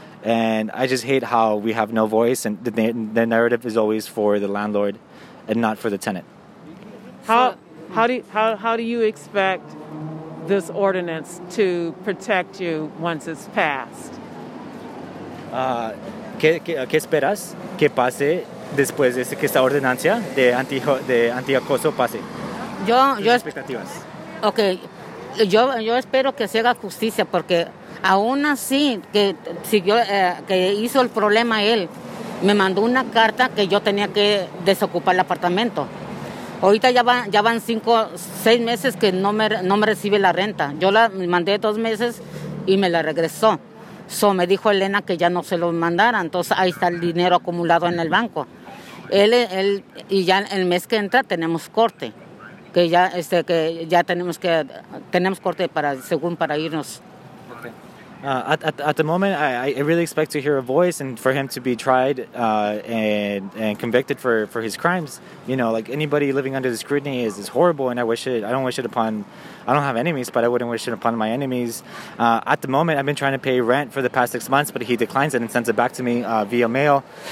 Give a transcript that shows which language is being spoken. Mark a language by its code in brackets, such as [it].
[en] And I just hate how we have no voice, and the narrative is always for the landlord and not for the tenant. How do you expect this ordinance to protect you once it's passed? [es] ¿Qué esperas que pase después de que esta ordenancia de anti acoso pase? Yo expectativas. [en] Okay. [es] Yo espero que se haga justicia, porque aún así, que siguió, que hizo el problema él, me mandó una carta que yo tenía que desocupar el apartamento. Ahorita ya van 5-6 meses que no me recibe la renta. Yo la mandé 2 meses y me la regresó. So me dijo Elena que ya no se lo mandara, entonces ahí está el dinero acumulado en el banco. Él y ya el mes que entra tenemos corte, que ya tenemos corte para irnos. [en] At the moment, I really expect to hear a voice and for him to be tried and convicted for his crimes. You know, like anybody living under the scrutiny is horrible, and I don't have enemies, but I wouldn't wish it upon my enemies. At the moment, I've been trying to pay rent for the past 6 months, but he declines it and sends it back to me via mail.